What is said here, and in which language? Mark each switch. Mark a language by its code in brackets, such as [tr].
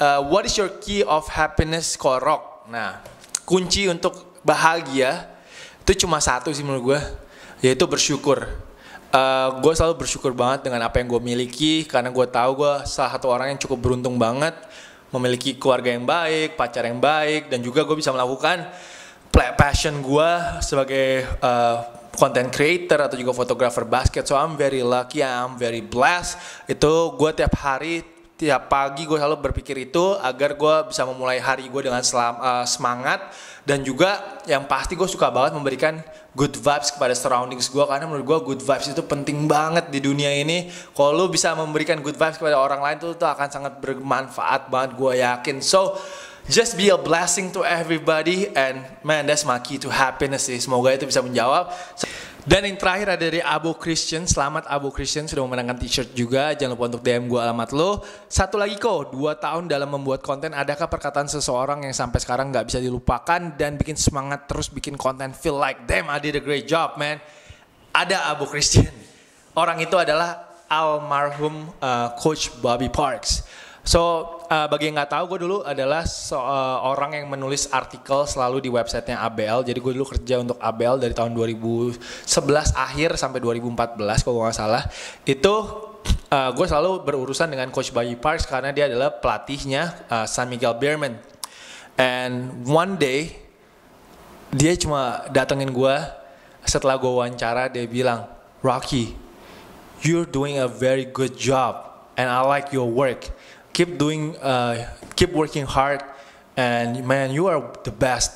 [en] What is your key of happiness, Ko Rock? [id] Nah, kunci untuk bahagia itu cuma satu sih menurut gue, yaitu bersyukur. Gue selalu bersyukur banget dengan apa yang gue miliki, karena gue tahu gue salah satu orang yang cukup beruntung banget memiliki keluarga yang baik, pacar yang baik, dan juga gue bisa melakukan passion gue sebagai content creator atau juga fotografer basket. [en] So I'm very lucky, I'm very blessed. [id] Itu gue tiap hari Tiap pagi gue selalu berpikir itu agar gue bisa memulai hari gue dengan semangat. Dan juga yang pasti gue suka banget memberikan good vibes kepada surroundings gue, karena menurut gue good vibes itu penting banget di dunia ini. Kalau lu bisa memberikan good vibes kepada orang lain, itu akan sangat bermanfaat banget, gue yakin. [en] So just be a blessing to everybody, and man, that's my key to happiness sih. [id] Semoga itu bisa menjawab. Dan yang terakhir ada dari Abu Christian. Selamat Abu Christian, sudah memenangkan t-shirt juga. Jangan lupa untuk DM gue alamat lo. Satu lagi kok, 2 tahun dalam membuat konten, adakah perkataan seseorang yang sampai sekarang gak bisa dilupakan dan bikin semangat terus bikin konten, [en] feel like damn I did a great job man? [id] Ada, Abu Christian. Orang itu adalah almarhum coach Bobby Parks. So bagi yang gak tahu, gue dulu adalah orang yang menulis artikel selalu di websitenya ABL. Jadi gue dulu kerja untuk ABL dari tahun 2011 akhir sampai 2014 kalau gue gak salah. Itu gue selalu berurusan dengan Coach Bobby Parks karena dia adalah pelatihnya San Miguel Beerman. [en] And one day [id] dia cuma datengin gue setelah gue wawancara, dia bilang, [en] Rocky, you're doing a very good job and I like your work. Keep doing, keep working hard, and man, you are the best.